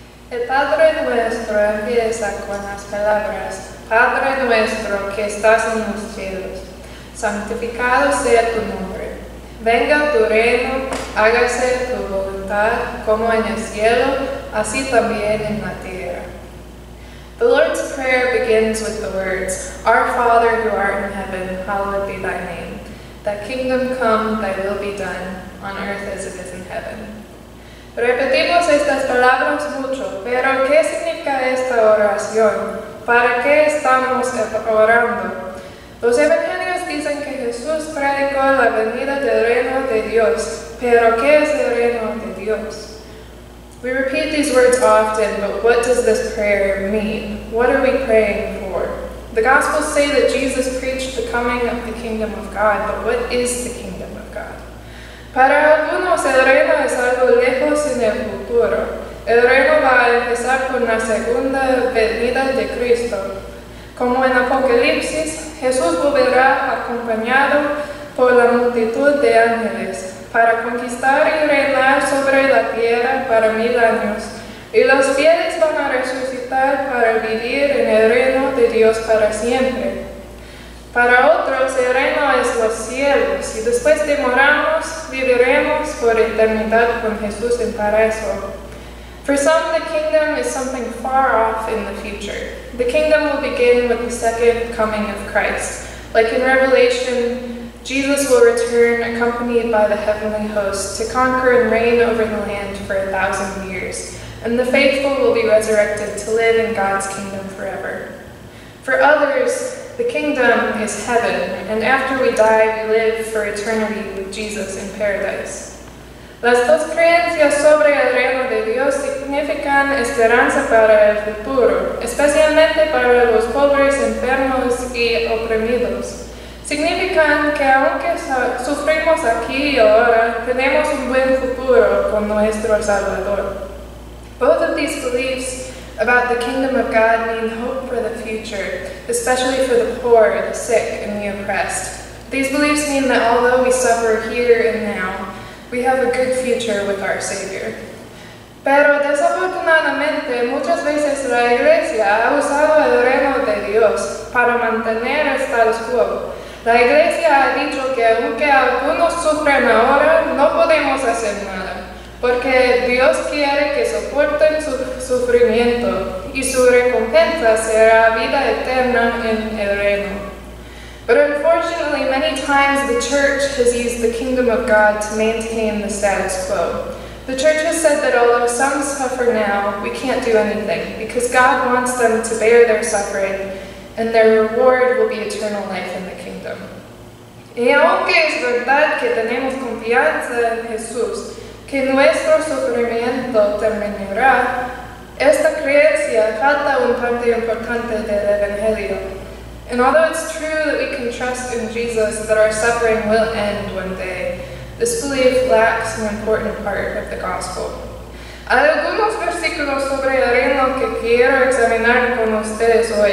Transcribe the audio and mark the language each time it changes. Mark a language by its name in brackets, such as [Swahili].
[Spanish] El Padre nuestro empieza con las palabras, Padre nuestro que estás en los cielos, santificado sea tu nombre. Venga tu reino, hágase tu voluntad como en el cielo, así también en la tierra. [English] The Lord's Prayer begins with the words, Our Father who art in heaven, hallowed be thy name. Thy kingdom come, thy will be done, on earth as it is in heaven. [Spanish] Repetimos estas palabras mucho, pero ¿qué significa esta oración? ¿Para qué estamos orando? Los evangelios dicen que Jesús predicó la venida del reino de Dios, pero ¿qué es el reino de Dios? [English] We repeat these words often, but what does this prayer mean? What are we praying for? The Gospels say that Jesus preached the coming of the kingdom of God, but what is the kingdom of God? [Spanish] Para algunos, el reino es algo lejos en el futuro. El reino va a empezar con la segunda venida de Cristo. Como en Apocalipsis, Jesús volverá acompañado por la multitud de ángeles para conquistar y reinar sobre la tierra para 1000 años. Y los fieles van a resucitar para vivir en el reino de Dios para siempre. Para otros, el reino es los cielos, y después de morarnos, viviremos por eternidad con Jesús en paraíso. [English] For some, the kingdom is something far off in the future. The kingdom will begin with the second coming of Christ. Like in Revelation, Jesus will return accompanied by the heavenly host to conquer and reign over the land for 1,000 years, and the faithful will be resurrected to live in God's kingdom forever. For others, the kingdom is heaven, and after we die, we live for eternity with Jesus in paradise. [Spanish] Las dos creencias sobre el reino de Dios significan esperanza para el futuro, especialmente para los pobres, enfermos y oprimidos. Significan que aunque sufrimos aquí y ahora, tenemos un buen futuro con nuestro Salvador. [English] Both of these beliefs about the kingdom of God mean hope for the future, especially for the poor, the sick, and the oppressed. These beliefs mean that although we suffer here and now, we have a good future with our Savior. [Spanish] Pero desafortunadamente, muchas veces la Iglesia ha usado el reino de Dios para mantener el status quo. La Iglesia ha dicho que aunque algunos sufren ahora, no podemos hacer nada, porque Dios quiere que soporten su sufrimiento y su recompensa será vida eterna en el reino. [English] But unfortunately, many times the church has used the kingdom of God to maintain the status quo. The church has said that although some suffer now, we can't do anything because God wants them to bear their suffering and their reward will be eternal life in the kingdom. [Spanish] Y aunque es verdad que tenemos confianza en Jesús, que nuestro sufrimiento terminará, esta creencia falta un parte importante del Evangelio. [English] And although it's true that we can trust in Jesus that our suffering will end one day, this belief lacks an important part of the gospel. [Spanish] Hay algunos versículos sobre el reino que quiero examinar con ustedes hoy.